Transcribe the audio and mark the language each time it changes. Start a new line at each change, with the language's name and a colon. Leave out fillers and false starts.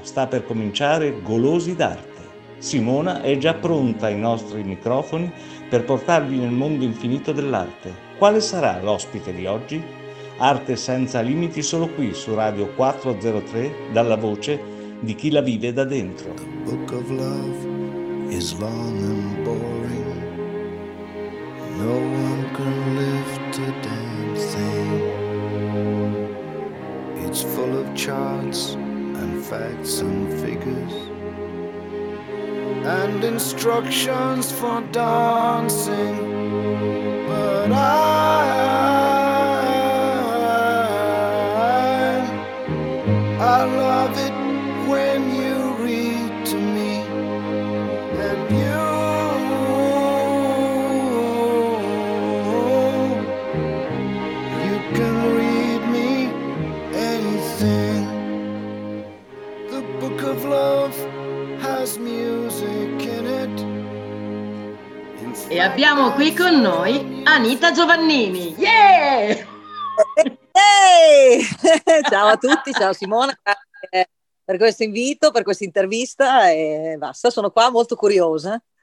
Italian: Sta per cominciare Golosi d'Arte. Simona è già pronta ai nostri microfoni per portarvi nel mondo infinito dell'arte. Quale sarà l'ospite di oggi? Arte senza limiti solo qui su Radio 403 dalla voce di chi la vive da dentro.
English: The book of love is long and boring. No one can lift a damn thing. It's full of charts and facts and figures and instructions for dancing. But I love it when you read to me, and you can read me anything. The book of love has music in it.
Italian: E abbiamo qui con noi Anita Giovannini. Yeah! Hey! Ciao a tutti, ciao Simona. Per questo invito, per questa intervista, e basta, sono qua molto curiosa.